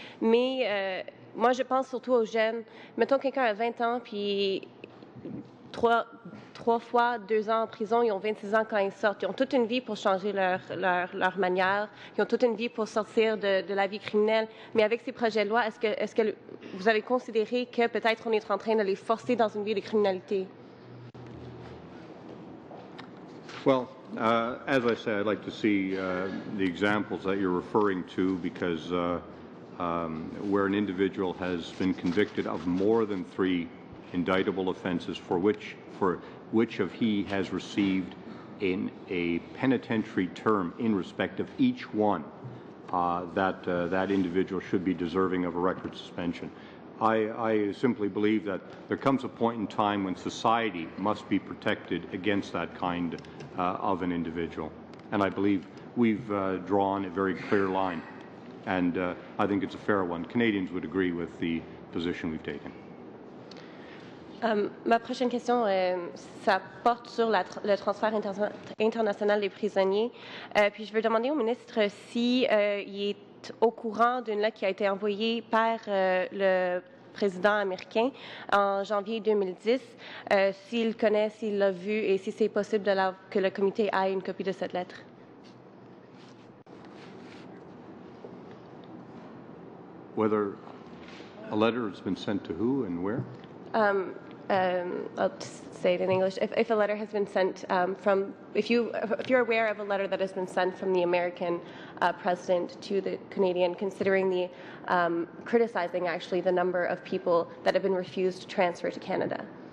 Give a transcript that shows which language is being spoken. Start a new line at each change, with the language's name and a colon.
French: Mais moi, je pense surtout aux jeunes. Mettons quelqu'un a 20 ans puis trois fois 2 ans en prison, ils ont 26 ans quand ils sortent. Ils ont toute une vie pour changer leur manière. Ils ont toute une vie pour sortir de la vie criminelle. Mais avec ces projets de loi, est-ce que vous avez considéré que peut-être on est en train de les forcer dans une vie de criminalité?
English: Well, as I say, I'd like to see the examples that you're referring to, because where an individual has been convicted of more than three indictable offences for which of he has received in a penitentiary term in respect of each one, that individual should be deserving of a record suspension. I simply believe that there comes a point in time when society must be protected against that kind of an individual. And I believe we've drawn a very clear line, and I think it's a fair one. Canadians would agree with the position we've taken.
French: Ma prochaine question, ça porte sur le transfert international des prisonniers. Puis je veux demander au ministre s'il est au courant d'une lettre qui a été envoyée par le président américain en janvier 2010, s'il connaît, s'il l'a vu et si c'est possible que le comité ait une copie de cette lettre.
English: Whether a letter has been sent to who and where? I'll just say it in English. If a letter has been sent if you're aware of a letter that has been sent from the American president to the Canadian, considering the criticizing actually the number of people that have been refused transfer to Canada.